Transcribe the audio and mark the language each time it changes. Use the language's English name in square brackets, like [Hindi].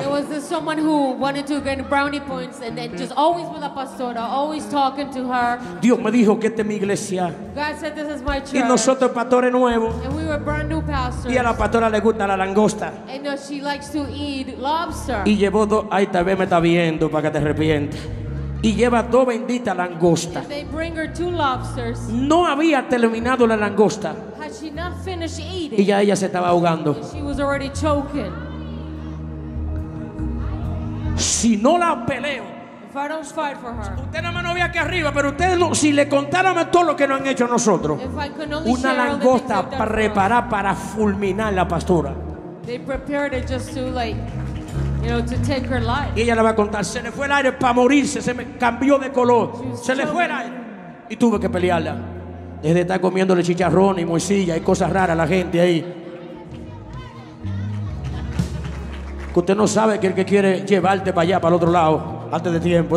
[English] There was this someone who wanted to get brownie points and then just always with a pastora, always talking to her. [Spanish] Dios me dijo que esta es mi iglesia. [English] God said this is my church. [Spanish] Y nosotros pastores nuevos. [English] And we were brand new pastors. [Spanish] Y a la pastora le gusta la langosta. [English] And she likes to eat lobster. [Spanish] Y llevó dos, ay, tal vez me está viendo para que te arrepientes. Y lleva dos benditas langostas. [English] They bring her two lobsters. [Spanish] No había terminado la langosta. [English] Had she not finished eating? [Spanish] Y ya ella se estaba ahogando. [English] She was already choking. [Spanish] Si no la peleo. [English] If I don't fight for her. [Spanish] Usted nada más no ve aquí arriba, pero usted no, si le contáramos todo lo que nos han hecho a nosotros. [English] If I could only [Spanish] una langosta preparada para fulminar la pastora. [English] They prepared it just to like, you know, to take her life. [Spanish] Y ella le va a contar, se le fue el aire para morirse, se me cambió de color, se le fue el aire. Y tuve que pelearla. Desde estar comiéndole chicharrón y moisilla y cosas raras a la gente ahí. Que usted no sabe que el que quiere llevarte para allá, para el otro lado, antes de tiempo.